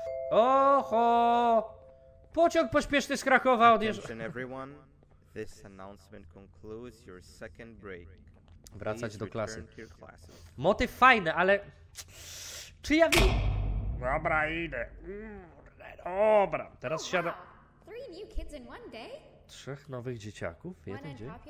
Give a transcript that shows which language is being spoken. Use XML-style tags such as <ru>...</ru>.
<pl>Oho! Pociąg pośpieszny z Krakowa odjeżdża.</pl> <en>Attention everyone, this announcement concludes your second break.</en> <pl>Wracać do klasy. Motyw fajny, ale... Czy ja wiem? Dobra, idę. Dobra, teraz siada.</pl> <en>Three new kids in one day?</en> <pl>Trzech nowych dzieciaków w jeden dzień?</pl>